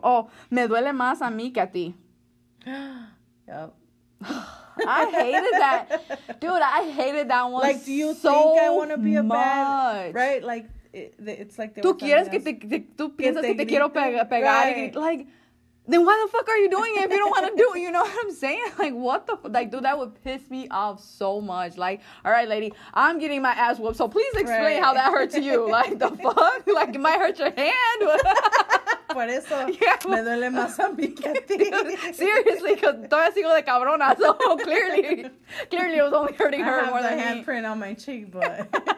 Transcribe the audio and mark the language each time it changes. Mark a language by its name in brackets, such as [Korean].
[Spanish] Oh, me duele más a mí que a ti. [English] Yep. I hated that. Dude, I hated that one. Like, do you so think I want to be a bad... Right? Like, it's like... [Spanish] Tú quieres que te... Tú piensas que te quiero pegar. [English] Right. Like... then why the fuck are you doing it if you don't want to do it? You know what I'm saying? Like, what the fuck? Like, dude, that would piss me off so much. Like, all right, lady, I'm getting my ass whooped, so please explain right. how that hurts you. Like, the fuck? Like, it might hurt your hand. [Spanish] Por eso, yeah, me duele más a mí que a ti. [English] Seriously, because [Spanish] todavía sigo de cabrona, [English] so clearly it was only hurting her more than me. I have the handprint on my cheek, but...